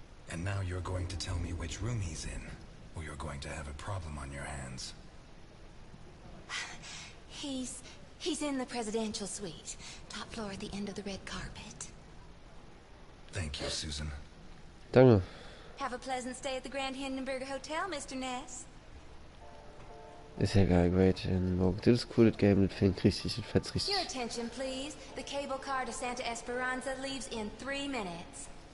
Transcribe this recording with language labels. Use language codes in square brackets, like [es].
[en] And now you're going to tell me which room he's in, or you're going to have a problem on your hands. He's in the presidential suite. Top floor at the end of the red carpet. Thank you, Susan. [de] Danke. [en] Have a pleasant stay at the Grand Hindenburg Hotel, Mr. Ness. [de] Ist ja geil, great. In Morgen. Das ist cool, das Game, das fängt richtig, das fetzt richtig. [en] Your attention, please. The cable car to Santa Esperanza leaves in 3 minutes.